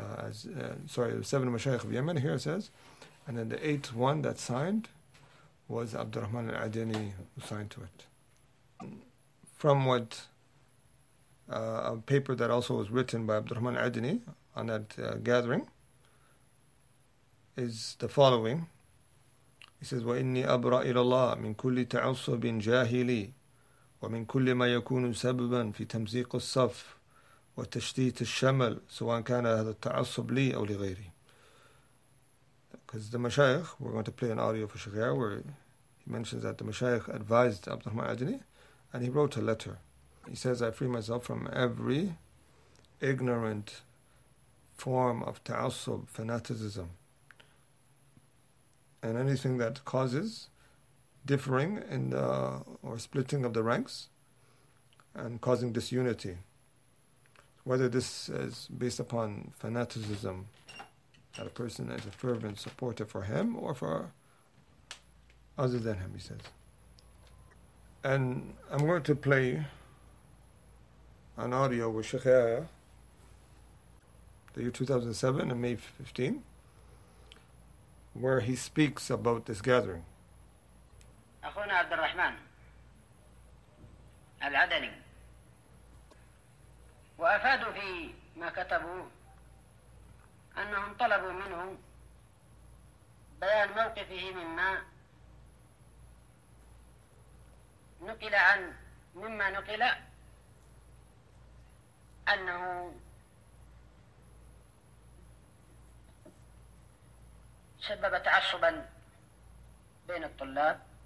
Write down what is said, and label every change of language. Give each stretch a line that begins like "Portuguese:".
English: Seven Mashaykh of Yemen here says, and then the eighth one that signed was Abdurrahman al-Adini, who signed to it. From what a paper that also was written by Abdurrahman al-Adini on that gathering is the following. He says,
Arabic: وَإِنِّي أَبْرَأْ إِلَى اللَّهِ مِنْ كُلِّ تَعَصُّبٍ جَاهِلِي ومن كل ما يكون سببا في تمزيق الصف وتشتيت الشمل سواء كان هذا التعصب لي أو لغيري.
English: Because the mashayikh, we're going to play an audio for Shaykh Yahya, where he mentions that the mashayikh advised Abdurrahman al-Adini, and he wrote a letter. He says, I free myself from every ignorant form of ta'assub, fanaticism, and anything that causes differing in the, or splitting of the ranks, and causing disunity, whether this is based upon fanaticism, that a person is a fervent supporter for him or for other than him, he says. And I'm going to play an audio with Sheikh Yahya, the year 2007 and May 15, where he speaks about this gathering.
Arabic: أخونا عبد الرحمن العدني وأفادوا في ما كتبوه أنهم طلبوا منه بيان موقفه مما نقل عن مما نقل أنه سبب تعصبا بين الطلاب.